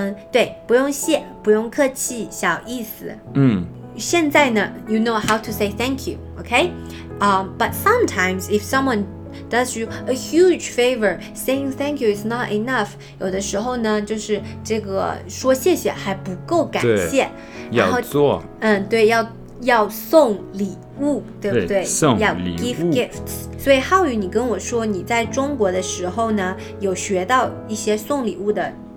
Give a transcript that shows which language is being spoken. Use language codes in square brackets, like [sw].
[zh] 对，不用谢，不用客气，小意思。现在呢 [en] ，you know how to say thank you， okay？ But sometimes if someone does you a huge favor, saying thank you is not enough。 [zh] 有的时候呢，就是这个说谢谢还不够感谢，然后要做。对，要送礼物，对不对，对，送礼物， [en] 要 give gifts。 [zh] 所以浩宇，你跟我说你在中国的时候呢，有学到一些送礼物的